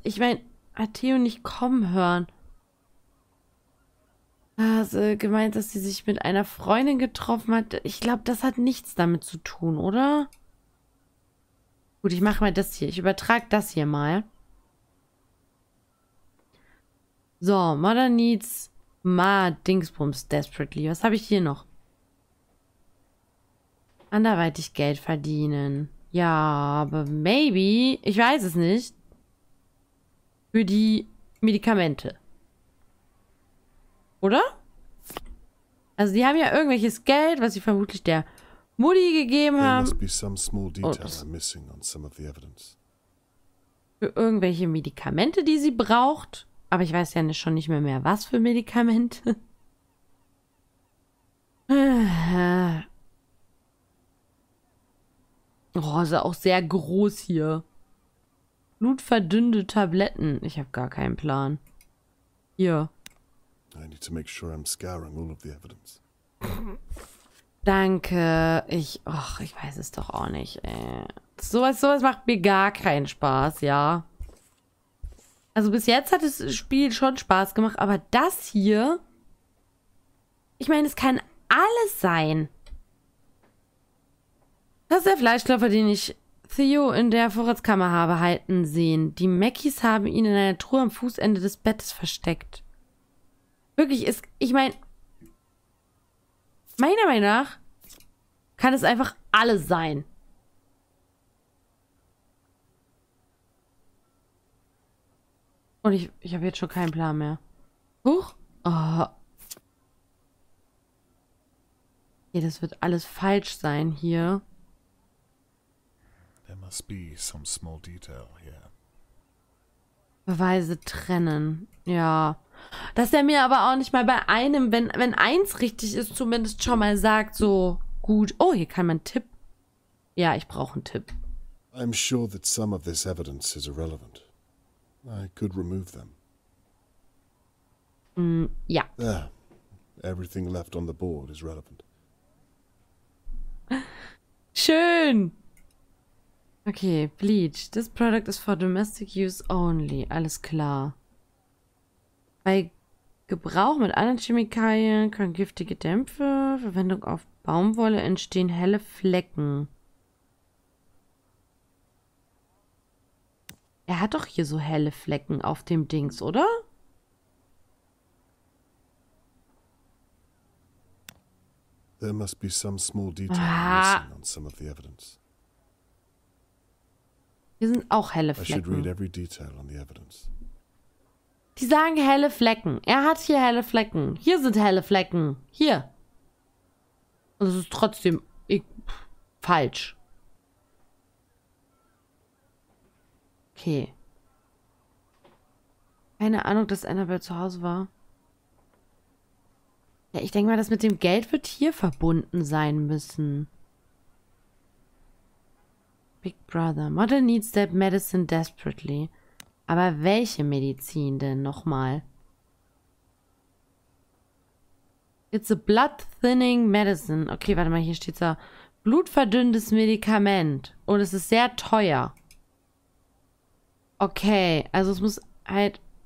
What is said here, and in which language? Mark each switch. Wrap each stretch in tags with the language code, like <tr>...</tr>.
<de>Ich meine, hat Theo nicht kommen hören. Also gemeint, dass sie sich mit einer Freundin getroffen hat. Ich glaube, das hat nichts damit zu tun, oder? Gut, ich mache mal das hier. Ich übertrage das hier mal.</de> <en>So, Mother needs Ma Dingsbums desperately.</en> <de>Was habe ich hier noch? Anderweitig Geld verdienen. Ja, aber maybe. Ich weiß es nicht. Für die Medikamente. Oder? Also die haben ja irgendwelches Geld, was sie vermutlich der Mutti gegeben haben.</de> <en>There must be some small details I'm missing on some of the evidence.</en> <de>Für irgendwelche Medikamente, die sie braucht. Aber ich weiß ja schon nicht mehr, was für Medikamente. Oh, ist ja auch sehr groß hier. Blutverdünnende Tabletten. Ich habe gar keinen Plan.</de> <en>Hier. I need to make sure I'm scouring all of the evidence.</en> <de>Danke. Ich weiß es doch auch nicht, ey. Sowas macht mir gar keinen Spaß, ja. Also bis jetzt hat das Spiel schon Spaß gemacht, aber das hier... Ich meine, es kann alles sein. Das ist der Fleischklopfer, den ich Theo in der Vorratskammer habe halten sehen. Die Mackies haben ihn in einer Truhe am Fußende des Bettes versteckt. Wirklich, ist, ich meine... Meiner Meinung nach kann es einfach alles sein. Und ich habe jetzt schon keinen Plan mehr. Huch. Oh. Ja, das wird alles falsch sein hier.</de> <en>There must be some small detail here.</en> <de>Beweise trennen. Ja. Dass er mir aber auch nicht mal bei einem, wenn eins richtig ist, zumindest schon mal sagt, so gut. Oh, hier kann man einen Tipp. Ja, ich brauche einen Tipp.</de> <en>I'm sure that some of this evidence is irrelevant. I could remove them.</en> <de>Ja.</de> <en>There. Everything left on the board is relevant.</en> <de>Schön. Okay, bleach.</de> <en>This product is for domestic use only.</en> <de>Alles klar. Bei Gebrauch mit anderen Chemikalien können giftige Dämpfe, Verwendung auf Baumwolle, entstehen helle Flecken. Er hat doch hier so helle Flecken auf dem Dings, oder?</de> <en>There must be some small detail missing on some of the evidence.</en> <de>Hier sind auch helle Flecken.</de> <en>I should read every detail on the evidence.</en> <de>Die sagen helle Flecken. Er hat hier helle Flecken. Hier sind helle Flecken. Hier. Und es ist trotzdem falsch. Okay. Keine Ahnung, dass Annabelle zu Hause war. Ja, ich denke mal, das mit dem Geld wird hier verbunden sein müssen.</de> <en>Big Brother. Mother needs that medicine desperately.</en> <de>Aber welche Medizin denn nochmal?</de> <en>It's a blood thinning medicine.</en> <de>Okay, warte mal, hier steht so. Blutverdünnendes Medikament. Und es ist sehr teuer. Okay, also es muss halt...</de>